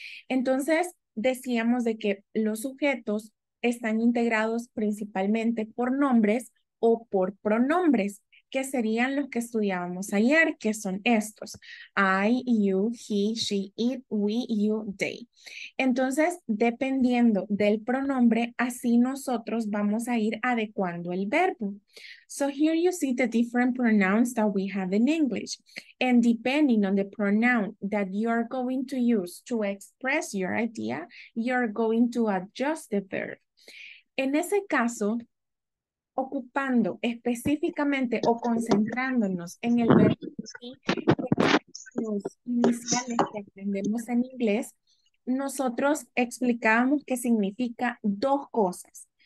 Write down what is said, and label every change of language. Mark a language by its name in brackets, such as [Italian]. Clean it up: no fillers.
[Spanish] Entonces, decíamos de que los sujetos están integrados principalmente por nombres o por pronombres, que serían los que estudiábamos ayer, que son estos: [English] I, you, he, she, it, we, you, they. [Spanish] Entonces, dependiendo del pronombre, así nosotros vamos a ir adecuando el verbo. [English] So here you see the different pronouns that we have in English. And depending on the pronoun that you are going to use to express your idea, you're going to adjust the verb. [Spanish] En ese caso, ocupando específicamente o concentrándonos en el verbo sí, los iniciales que aprendemos en inglés, nosotros explicábamos que significa dos cosas.